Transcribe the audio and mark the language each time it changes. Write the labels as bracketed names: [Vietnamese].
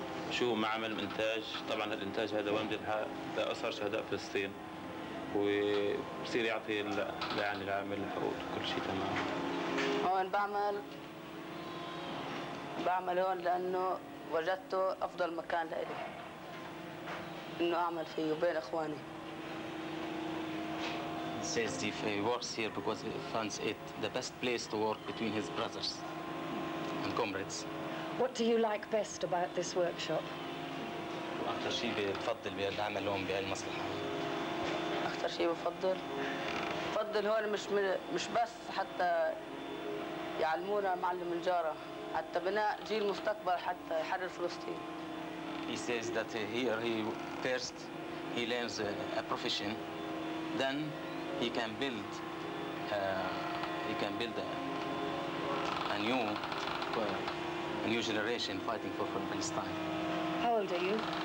[Arabic] شو معمل إنتاج؟ طبعا الإنتاج هذا وين بيلحق لأسر شهداء فلسطين؟ وبصير يعطي يعني العامل حقوق كل شيء تمام. هون بعمل هون لانه وجدته افضل مكان لإلي انه اعمل فيه وبين اخواني. [English] Says if he works here because he finds it the best place to work between his brothers and comrades. What do you like best about this workshop? [Arabic] اكثر شيء بفضل بالعمل هون بهالمصلحه. أكثر شيء بفضل هون مش بس حتى يعلمونا معلم الجارة حتى بناء جيل مستقبل حتى يحرر فلسطين. [English] He says that here he first learns a profession, then he can build a new generation fighting for Palestine. How old are you?